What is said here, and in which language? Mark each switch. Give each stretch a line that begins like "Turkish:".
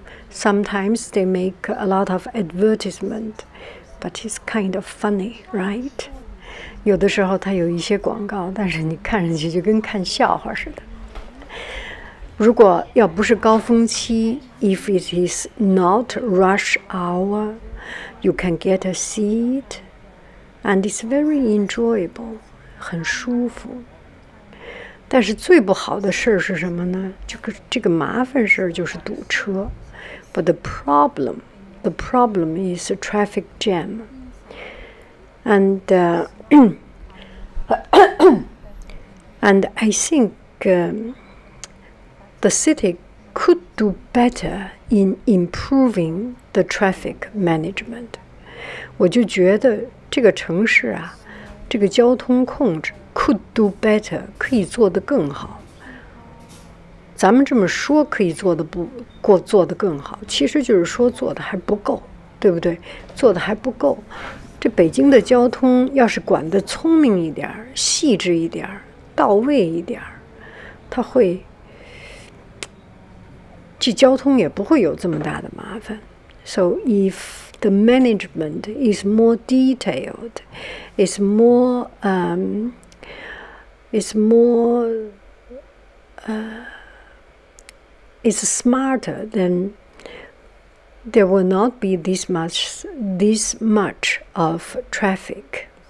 English: Sometimes they make a lot of advertisement, but it's kind of funny, right?
Chinese: 有的时候它有一些广告，但是你看上去就跟看笑话似的。如果要不是高峰期
English: ，if it is not rush hour, you can get a seat, and it's very enjoyable,
Chinese: 很舒服。但是最不好的事儿是什么呢？这个麻烦事儿就是堵车。
English: But the problem is a traffic jam. And and I think the city could do better in improving the traffic management.
Chinese: 我就觉得这个城市啊，这个交通控制
English: could do better,
Chinese: 可以做得更好。咱们这么说可以做得不过做得更好，其实就是说做得还不够，对不对？做得还不够。这北京的交通要是管得聪明一点，细致一点，到位一点，它会，这交通也不会有这么大的麻烦。
English: So if the management is more detailed, is smarter, then there will not be this much of traffic.